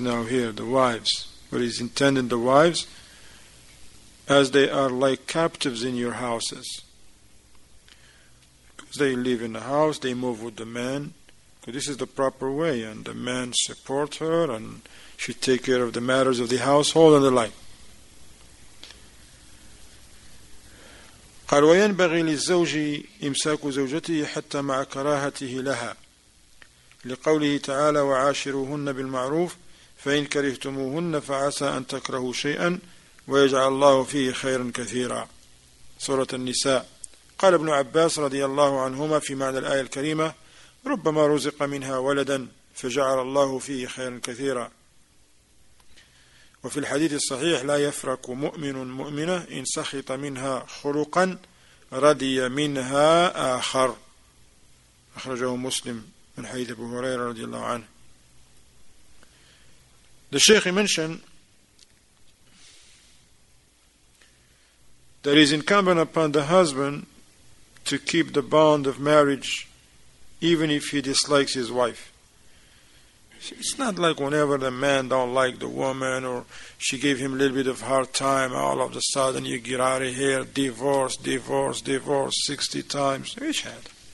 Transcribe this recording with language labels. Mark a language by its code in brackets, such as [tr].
[en] Now here, the wives, what is intended, the wives, as they are like captives in your houses, because they live in the house, they move with the man, because this is the proper way, and the man support her and she take care of the matters of the household and the like. [ar] قال وينبغي للزوج إمساك زوجته حتى مع كراهته لها, لقوله تعالى وعاشروهن بالمعروف فإن كرهتموهن فعسى أن تكرهوا شيئا ويجعل الله فيه خيرا كثيرا. سورة النساء. قال ابن عباس رضي الله عنهما في معنى الآية الكريمة ربما رزق منها ولدا فجعل الله فيه خيرا كثيرا. وفي الحديث الصحيح لا يفرق مؤمن مؤمنة إن سخط منها خلقا رضي منها آخر. أخرجه مسلم من حديث أبو هريرة رضي الله عنه. [en] The Sheikh mentioned that it is incumbent upon the husband to keep the bond of marriage even if he dislikes his wife. It's not like whenever the man don't like the woman or she gave him a little bit of hard time, all of a sudden you get out of here, divorce, divorce, divorce, 60 times. Which had?